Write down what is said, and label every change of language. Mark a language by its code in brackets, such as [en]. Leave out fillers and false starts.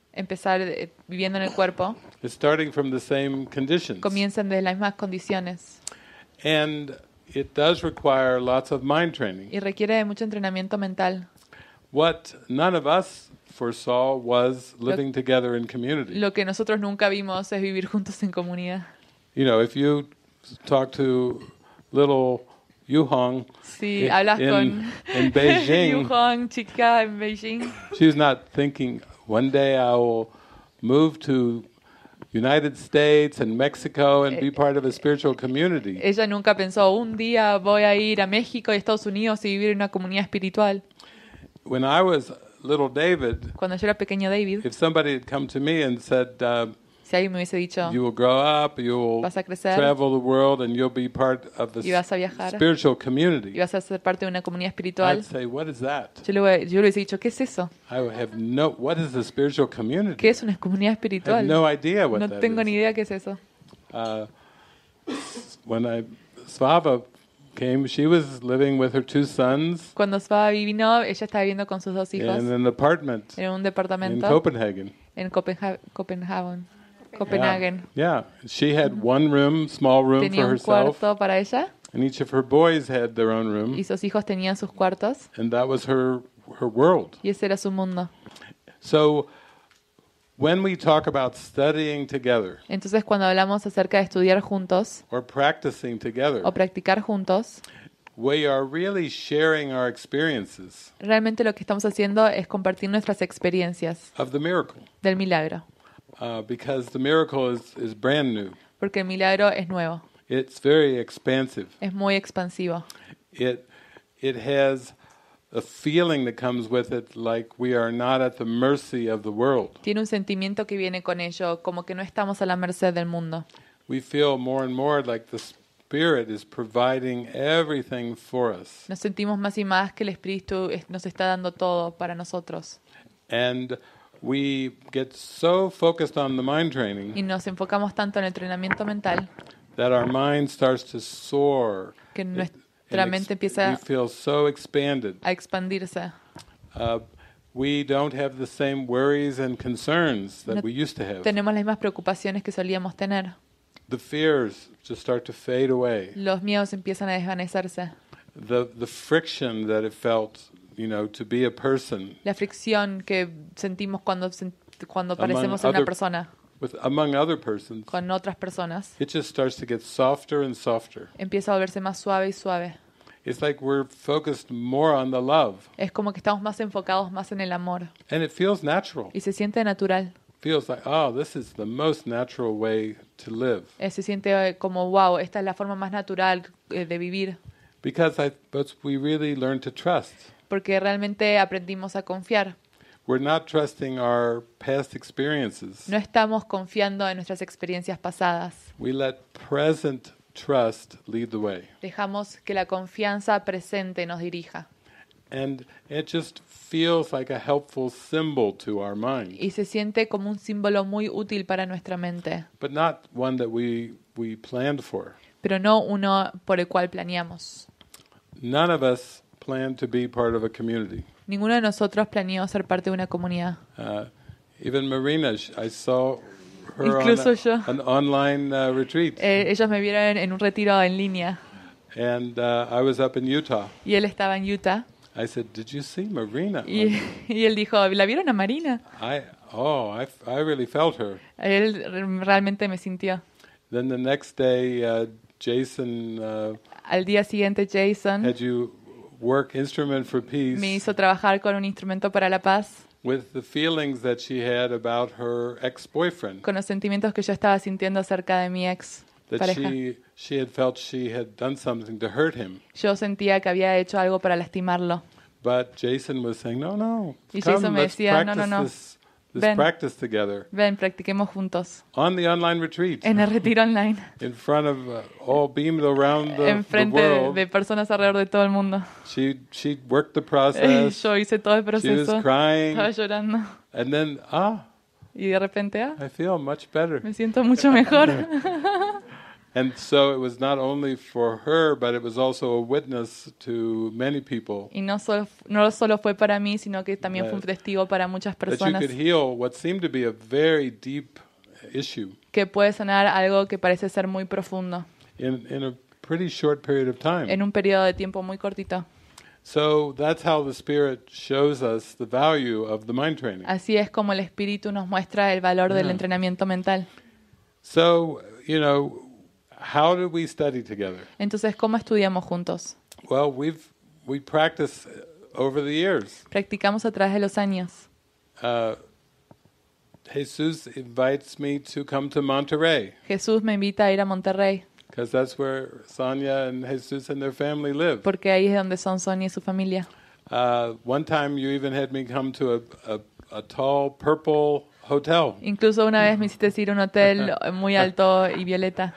[es] Empezar viviendo en el cuerpo. [en] Is starting from the same conditions. [es] Comienzan desde las mismas condiciones. [en] And it does require lots of mind training. [es] Y requiere de mucho entrenamiento mental. [en] What none of us foresaw was living together in community. [es] Lo que nosotros nunca vimos es vivir juntos en comunidad. [en] You know, if you talk to little Yuhong, [es] si hablas [en] in Beijing, [es] Yuhong, chica en Beijing, [en] she's not thinking one day I will move to United States and Mexico and be part of a spiritual community. [es] Ella nunca pensó un día voy a ir a México y Estados Unidos y vivir en una comunidad espiritual. [en] When I was little David, [es] cuando yo era pequeño David, [en] if somebody had come to me and said, [es] si alguien me hubiese dicho, [en] you will grow up, you will [es] vas a crecer, [en] travel the world and you'll be part of the spiritual community. [es] Y vas a ser parte de una comunidad espiritual. [en] I'd say, what is that? [es] Yo le hubiese dicho, ¿qué es eso? [en] I have no, what is a spiritual community? [es] ¿Qué es una comunidad espiritual? [en] I have no idea what [es] no [en] that [es] tengo [en] is. [es] Ni idea qué es eso. [en] When Svava came, she was living with her two sons. [es] Cuando Svava vino, ella estaba viviendo con sus dos hijos. [en] In an apartment. [es] En un departamento. [en] In Copenhagen. [es] En Copenhagen. Copenhagen. [en] Yeah. She had one room, small room [es] tenía [en] for herself. [es] Tenía un cuarto para ella. [en] And each of her boys had their own room. [es] Y sus hijos tenían sus cuartos. [en] And that was her world. [es] Y ese era su mundo. [en] So when we talk about studying together. [es] Entonces cuando hablamos acerca de estudiar juntos. [en] Or practicing together. [es] O practicar juntos. [en] We are really sharing our experiences. [es] Realmente lo que estamos haciendo es compartir nuestras experiencias. [en] Of the miracle. [es] Del milagro. [en] Because the miracle is brand new. [es] Porque el milagro es nuevo. [en] It's very expansive. [es] Es muy expansivo. [en] It has a feeling that comes with it, like we are not at the mercy of the world. [es] Tiene un sentimiento que viene con ello, como que no estamos a la merced del mundo. [en] We feel more and more like the Spirit is providing everything for us. [es] Nos sentimos más y más que el Espíritu nos está dando todo para nosotros. [en] And we get so focused on the mind training. [es] Y nos enfocamos tanto en el entrenamiento mental. [en] That our mind starts to soar. [es] Que nuestra mente empieza [en] we feel so expanded. [es] A expandirse. [en] We don't have the same worries and concerns that [es] no [en] we used to have. [es] Tenemos las mismas preocupaciones que solíamos tener. [en] The fears just start to fade away. [es] Los miedos empiezan a desvanecerse. [en] The friction that it felt, you know, to be a person. [es] La fricción que sentimos cuando parecemos una persona. [en] Among other persons. [es] Con otras personas. [en] It just starts to get softer and softer. [es] Empieza a volverse más suave y suave. [en] It's like we're focused more on the love. [es] Es como que estamos más enfocados más en el amor. [en] And it feels natural. [es] Y se siente natural. [en] Feels like, oh, this is the most natural way to live. [es] Se siente como, wow, esta es la forma más natural de vivir. [en] Because we really learn to trust. [es] Porque realmente aprendimos a confiar. [en] We're not trusting our past experiences. [es] No estamos confiando en nuestras experiencias pasadas. [en] We let present trust lead the way. [es] Dejamos que la confianza presente nos dirija. [en] And it just feels like a helpful symbol to our mind. [es] Y se siente como un símbolo muy útil para nuestra mente. [en] But not one that we planned for. [es] Pero no uno por el cual planeamos. [en] None of us plan to be part of a community. [es] Ninguno de nosotros planeó ser parte de una comunidad. [en] Even Marina, I saw her on an online retreat. [es] Ellos me vieron en un retiro en línea. [en] And I was up in Utah. [es] Y él estaba en Utah. [en] I said, "Did you see Marina?" [es] Y él dijo, "¿La vieron a Marina?" [en] I really felt her. [es] Él realmente me sintió. [en] Then the next day, Jason. [es] Al día siguiente, Jason. [en] Had you work instrument for peace? [es] Me hizo trabajar con un instrumento para la paz. [en] With the feelings that she had about her ex-boyfriend. [es] Con los sentimientos que yo estaba sintiendo acerca de mi ex. [en] That she had felt she had done something to hurt him. [es] Yo sentía que había hecho algo para lastimarlo. [en] But Jason was saying, "No, no." [es] Y Jason me decía, "No. [en] Let's practice together." [es] Ven, practiquemos juntos. [en] On the online retreat. [es] En el retiro online. [en] In front of all beamed around the world. [es] Enfrente de personas alrededor de todo el mundo. [en] She worked the process. [es] Yo hice todo el proceso. [en] She was crying. [es] Estaba llorando. [en] And then [es] y de repente, [en] I feel much better. [es] Me siento mucho mejor. [en] And so it was not only for her, but it was also a witness to many people. [es] Y no solo fue para mí, sino que también fue un testigo para muchas personas. [en] That you could heal what seemed to be a very deep issue. [es] Que puede sanar algo que parece ser muy profundo. [en] In a pretty short period of time. [es] En un periodo de tiempo muy cortito. [en] So that's how the spirit shows us the value of the mind training. [es] Así es como el espíritu nos muestra el valor del entrenamiento mental. [en] So, you know, how do we study together? [es] Entonces, ¿cómo estudiamos juntos? [en] Well, we practice over the years. [es] Practicamos a través de los años. [en] Jesús invites me to come to Monterrey. [es] Jesús me invita a ir a Monterrey. [en] Because that's where Sonia and Jesús and their family live. [es] Porque ahí es donde son Sonia y su familia. [en] One time you even had me come to a tall purple hotel. [es] Incluso una vez me hiciste ir a un hotel muy alto y violeta.